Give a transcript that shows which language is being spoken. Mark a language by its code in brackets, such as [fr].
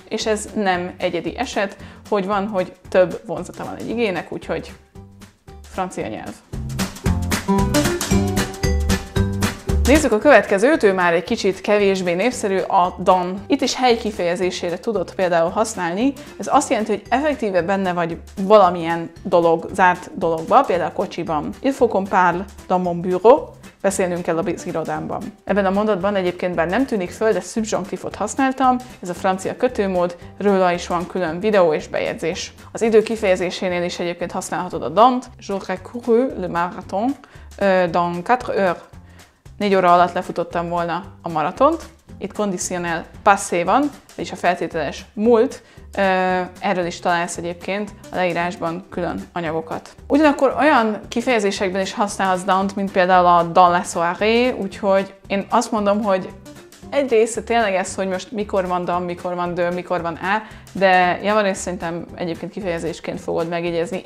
[hu] És ez nem egyedi eset, hogy van, hogy több vonzata van egy igének, úgyhogy francia nyelv. Nézzük a következőt, ő már egy kicsit kevésbé népszerű, a don. Itt is hely kifejezésére tudod például használni. Ez azt jelenti, hogy effektíve benne vagy valamilyen dolog, zárt dologba, például a kocsiban. [fr] Il faut qu'on parle dans mon bureau. [hu] Beszélnünk kell a irodámban. Ebben a mondatban egyébként bár nem tűnik föl, de szubjonktívot használtam, ez a francia kötőmód, róla is van külön videó és bejegyzés. Az idő kifejezésénél is egyébként használhatod a don't. [fr] J'aurais couru le marathon dans 4 heures. [hu] 4 óra alatt lefutottam volna a maratont. Itt conditionnel passé van, vagyis a feltételes múlt. Erről is találsz egyébként a leírásban külön anyagokat. Ugyanakkor olyan kifejezésekben is használhatsz don't, mint például a [fr] dans la soirée, [hu] úgyhogy én azt mondom, hogy egy része tényleg ez, hogy most mikor van don, mikor van de, mikor van á, de javarészt szerintem egyébként kifejezésként fogod megjegyezni.